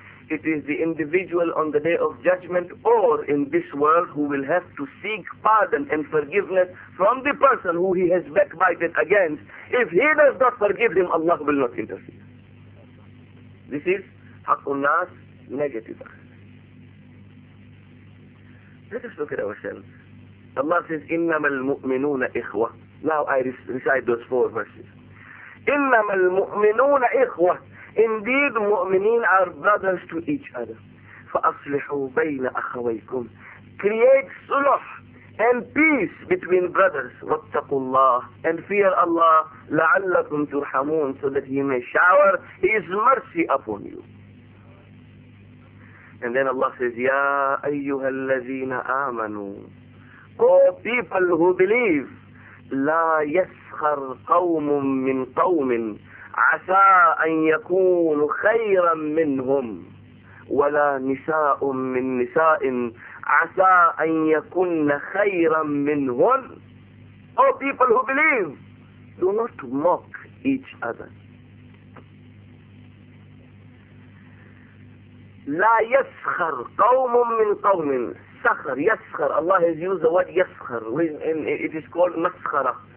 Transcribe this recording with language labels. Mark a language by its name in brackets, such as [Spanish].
[English] It is the individual on the day of judgment or in this world who will have to seek pardon and forgiveness from the person who he has backbited against. If he does not forgive him, Allah will not intercede. This is haqqun nas negative. Let us look at ourselves. Allah says, [Arabic] إِنَّمَا الْمُؤْمِنُونَ إِخْوَةٌ. [English] Now I recite those four verses. [Arabic] إِنَّمَا الْمُؤْمِنُونَ إِخْوَةٌ. [English] Indeed, mu'mineen are brothers to each other. [Arabic] فَأَصْلِحُوا بَيْنَ أَخَوَيْكُمْ. [English] Create suluh and peace between brothers. [Arabic] وَاتَّقُوا اللَّهِ. [English] And fear Allah. [Arabic] لَعَلَّكُمْ تُرْحَمُونَ. [English] So that he may shower his mercy upon you. And then Allah says, [Arabic] يَا أَيُّهَا الَّذِينَ آمَنُوا. [English] O people who believe, [Arabic] لَا يَسْخَرْ قَوْمٌ مِّن قَوْمٍ عَسَىٰ أَن يَكُونُ خَيْرًا مِّنْهُمْ وَلَا نِسَاءٌ مِّن نِسَاءٍ عَسَىٰ أَن يَكُنَّ خَيْرًا مِّنْهُمْ. [English] O people who believe, do not mock each other. [Arabic] لَا يَسْخَرْ قَوْمٌ مِّن قَوْمٍ. سَخَرْ, يَسْخَرْ. [English] Allah has used the word يَسْخَرْ. It is called مَسْخَرَة